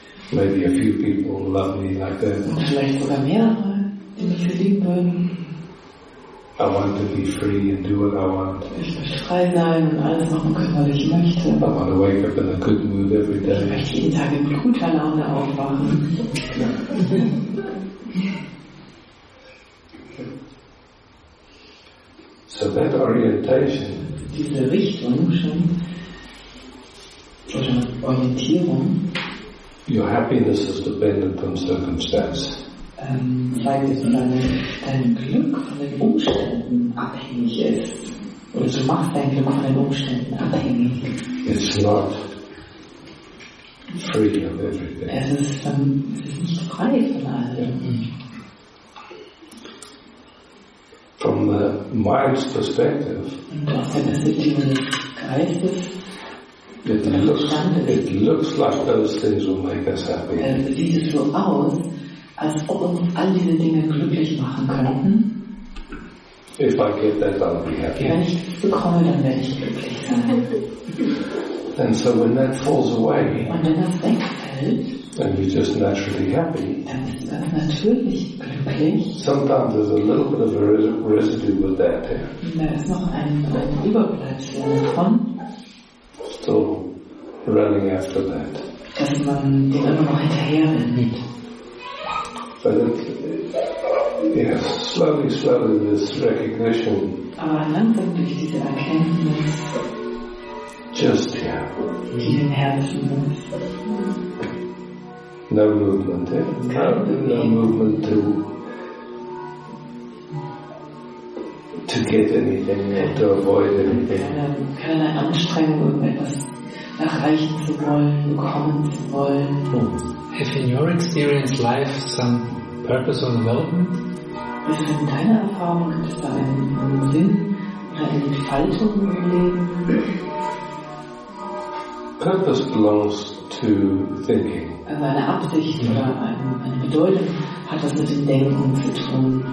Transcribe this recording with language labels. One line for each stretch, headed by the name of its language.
English: Maybe a few people love me like that.
German: Vielleicht sogar mehrere, die mich lieben würden.
English: I want to be free and do what I want.
German: Ich möchte frei sein und alles machen können, was ich möchte.
English: I want to wake up in a good mood every day.
German: Ich möchte jeden Tag in guter Laune aufwachen.
English: So that orientation.
German: Diese Richtung schon, oder Orientierung.
English: Your happiness is dependent on circumstance.
German: Dein Glück von den Umständen abhängig ist. Oder du machst dein Glück von den Umständen abhängig.
English: It's not free of everything.
German: Es ist nicht frei von allem.
English: From the mind's perspective, it looks like those things will make us happy.
German: Sieht es so aus, als ob uns all diese Dinge glücklich machen könnten?
English: If I get that, I'll be happy.
German: Wenn ich das bekomme, dann werde ich glücklich sein.
English: And so when that falls away,
German: und wenn das wegfällt,
English: and you're just naturally happy.
German: Dann ist man natürlich glücklich.
English: Sometimes there's a little bit of a residue with that.
German: Da ist noch ein Überbleibsel davon.
English: Still running after that.
German: Dass man dem immer noch hinterher rennt.
English: But Yes, slowly, slowly this recognition.
German: Aber langsam durch diese Erkenntnis.
English: Just here.
German: Die den Herzen.
English: No movement, no movement to get anything or to avoid anything.
German: Keine Anstrengung, irgendetwas erreichen zu wollen, bekommen zu wollen.
English: If in your experience life some purpose or development?
German: Ist in deiner Erfahrung, gibt es da einen Sinn oder eine Entfaltung im Leben?
English: Purpose belongs to thinking.
German: Also eine Absicht oder eine Bedeutung hat was mit dem Denken zu tun.